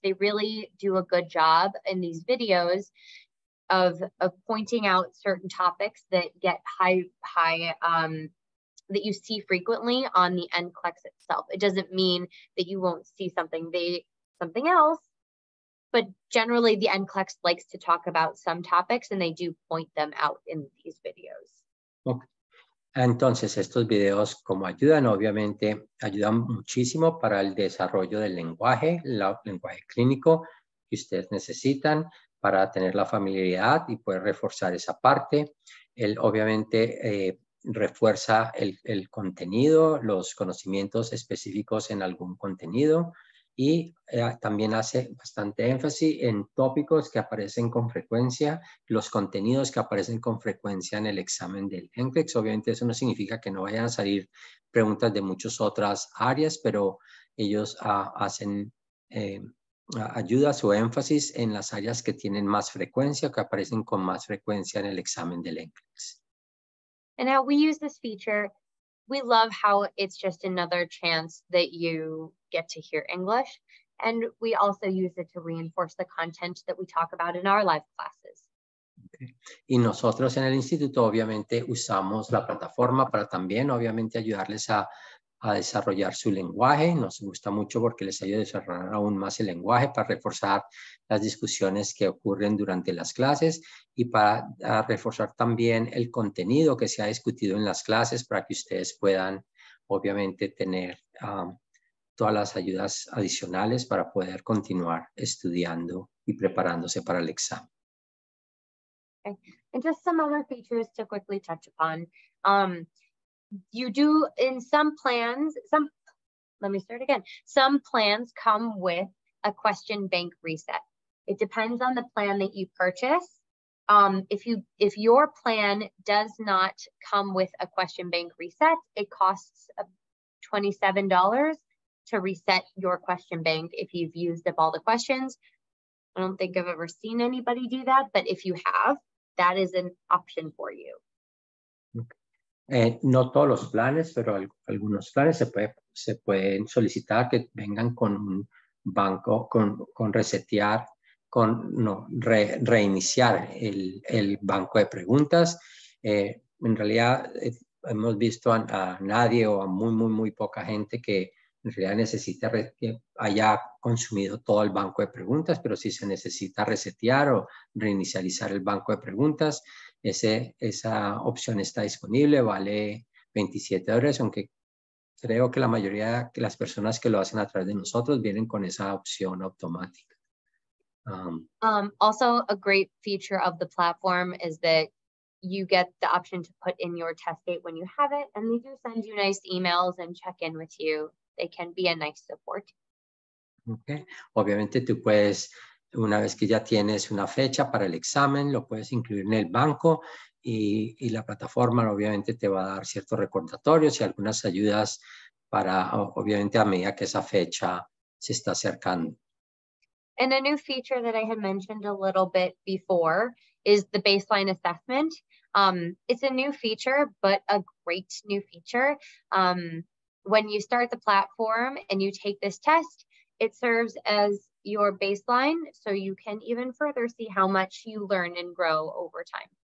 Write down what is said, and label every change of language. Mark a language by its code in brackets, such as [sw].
[en] They really do a good job in these videos of pointing out certain topics that get that you see frequently on the NCLEX itself. It doesn't mean that you won't see something else, but generally the NCLEX likes to talk about some topics and they do point them out in these videos. Okay. [es] Entonces, estos videos, como ayudan, obviamente, ayudan muchísimo para el desarrollo del lenguaje, el lenguaje clínico que ustedes necesitan para tener la familiaridad y poder reforzar esa parte. Él, obviamente, refuerza el contenido, los conocimientos específicos en algún contenido y también hace bastante énfasis en tópicos que aparecen con frecuencia, los contenidos que aparecen con frecuencia en el examen del NCLEX. Obviamente eso no significa que no vayan a salir preguntas de muchas otras áreas, pero ellos hacen ayuda su énfasis en las áreas que tienen más frecuencia, que aparecen con más frecuencia en el examen del NCLEX. [en] And how we use this feature, we love how it's just another chance that you get to hear English. And we also use it to reinforce the content that we talk about in our live classes. Okay. [es] Y nosotros en el instituto obviamente usamos la plataforma para también obviamente ayudarles a, a desarrollar su lenguaje. Nos gusta mucho porque les ayuda a desarrollar aún más el lenguaje para reforzar las discusiones que ocurren durante las clases y para reforzar también el contenido que se ha discutido en las clases para que ustedes puedan, obviamente, tener todas las ayudas adicionales para poder continuar estudiando y preparándose para el examen. [en] And just some other features to quickly touch upon. You do in some plans, some, let me start again. Some plans come with a question bank reset. It depends on the plan that you purchase. If your plan does not come with a question bank reset, it costs $27 to reset your question bank if you've used up all the questions. I don't think I've ever seen anybody do that, but if you have, that is an option for you. Okay. [es] No todos los planes, pero algunos planes se pueden solicitar que vengan con un banco, reiniciar el banco de preguntas. En realidad, hemos visto a nadie o a muy, muy, muy poca gente que en realidad necesite que haya consumido todo el banco de preguntas, pero si se necesita resetear o reinicializar el banco de preguntas, esa opción está disponible, vale $27, aunque creo que la mayoría de las personas que lo hacen a través de nosotros vienen con esa opción automática. [en] Also, a great feature of the platform is that you get the option to put in your test date when you have it, and they do send you nice emails and check in with you. They can be a nice support. Okay. [es] Obviamente tú puedes, una vez que ya tienes una fecha para el examen, lo puedes incluir en el banco y la plataforma obviamente te va a dar ciertos recordatorios y algunas ayudas para, obviamente, a medida que esa fecha se está acercando. [en] And a new feature that I had mentioned a little bit before is the baseline assessment. It's a new feature, but a great new feature. When you start the platform and you take this test, it serves as your baseline, so you can even further see how much you learn and grow over time.